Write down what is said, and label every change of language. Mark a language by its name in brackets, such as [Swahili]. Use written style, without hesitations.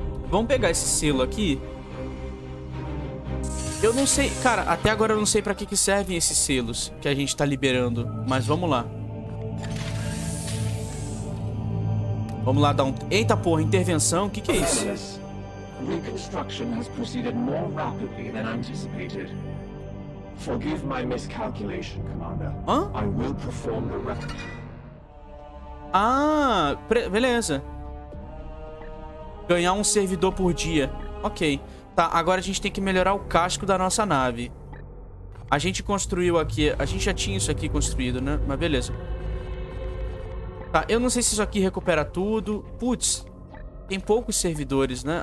[Portuguese] Vamos pegar esse selo aqui. Eu não sei... Cara, até agora eu não sei pra que servem esses selos que a gente tá liberando. Mas vamos lá. Vamos lá dar um... Eita porra, intervenção. O que que é isso? [English] Reconstruction has proceeded more rapidly than anticipated. Forgive my miscalculation, Commander. Hã? I will perform the rec... [Portuguese] Ah, beleza. Ganhar um servidor por dia. Ok. Tá, agora a gente tem que melhorar o casco da nossa nave. A gente construiu aqui... A gente já tinha isso aqui construído, né? Mas beleza. Tá, eu não sei se isso aqui recupera tudo. Putz. Tem poucos servidores, né?